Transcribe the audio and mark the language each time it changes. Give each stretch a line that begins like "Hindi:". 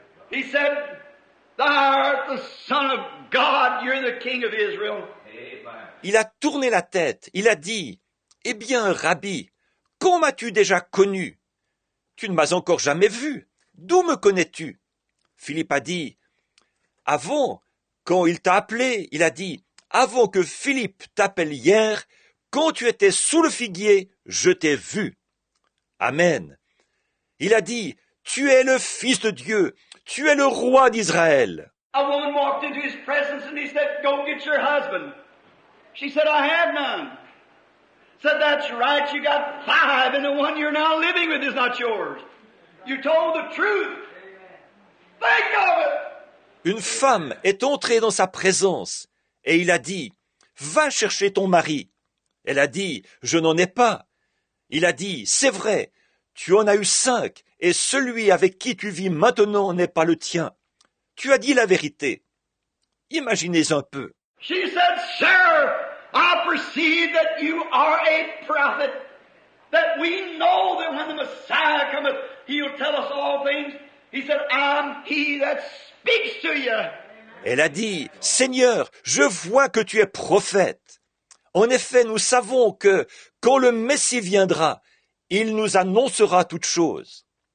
English: He said, Thou art the Son of God, you're the King of Israel. Amen.
French: Il a tourné la tête, il a dit, eh bien, Rabbi, quand m'as-tu déjà connu? Tu ne m'as encore jamais vu, d'où me connais-tu? Philippe a dit, avant, quand il t'a appelé, il a dit, avant que Philippe t'appelle hier, quand tu étais sous le figuier, je t'ai vu. Amen. Il a dit, tu es le Fils de Dieu. Tu es le roi d'Israël.
English: A woman walked into his presence and he said, go get your husband. She said, I have none. Said, that's right, you got five and the one you're now living with is not yours. You told the truth. Think of it.
French: Une femme est entrée dans sa présence et il a dit, va chercher ton mari. Elle a dit, je n'en ai pas. Il a dit, c'est vrai, tu en as eu cinq. Et celui avec qui tu vis maintenant n'est pas le tien. Tu as dit la vérité. Imaginez un peu.
English: She said, Sir, I perceive that you are a prophet, that we know that when the Messiah cometh, he'll tell us all things. He said, I'm he that speaks to you.
French: Elle a dit, Seigneur, je vois que tu es prophète. En effet, nous savons que quand le Messie viendra, il nous annoncera toutes choses.